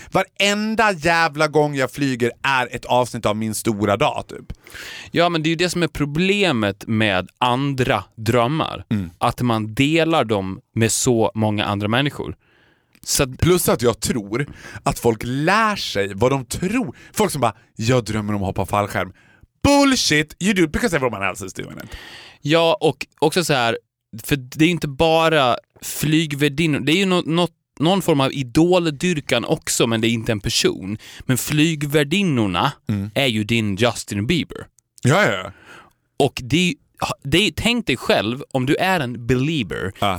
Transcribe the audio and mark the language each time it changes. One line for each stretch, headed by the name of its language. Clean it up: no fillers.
Swedish: Varenda jävla gång jag flyger är ett avsnitt av min stora dag typ. Ja, men det är ju det som är problemet med andra drömmar. Mm. Att man delar dem med så många andra människor. Så plus att jag tror att folk lär sig vad de tror. Folk som bara, jag drömmer om att hoppa fallskärm.
English: Bullshit, you do because everyone else is doing it.
Swedish: Ja, och också så här. För det är inte bara flygvärdinnor. Det är ju någon form av idoldyrkan också, men det är inte en person. Men flygvärdinnorna är ju din Justin Bieber. Ja, ja, ja. Och det är, tänk dig själv om du är en believer. Ja.